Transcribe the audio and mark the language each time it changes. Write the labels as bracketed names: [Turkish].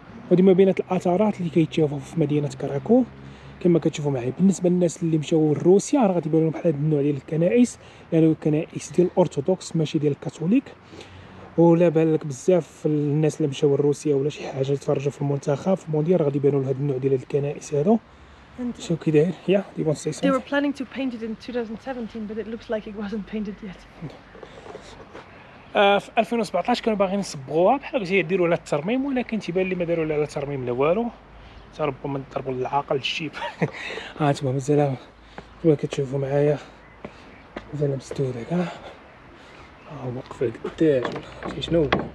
[Arabic] ودي ما بينة الآثارات اللي كيتشافو في مدينة كراكو كما كتشوفوا معي. بالنسبه للناس اللي مشاو لروسيا راه غادي يبان لهم بحال هذا النوع ديال الكنائس، لانه الكنائس ديال الارثوذكس ماشي ديال الكاثوليك. ولا بالك بزاف الناس اللي مشاو لروسيا ولا شي حاجه تفرجوا في المنتخب في المونديال غادي يبانوا لهذا النوع ديال الكنائس هادو. شوف كي داير. يا دي وان سي سي [English] they were planning to paint it in 2017 but it looks like it wasn't painted yet. [Arabic] في 2017 كانوا باغيين يصبغوها بحال قلت هي ديروا لها الترميم، ولكن تيبان لي ما داروا لها ترميم لا والو، ربما نضربوا العقل الشيب. ها انتما مازال كما كتشوفوا معايا مازال مستور هكا. ها هو وقف قداش ولا شي شنو.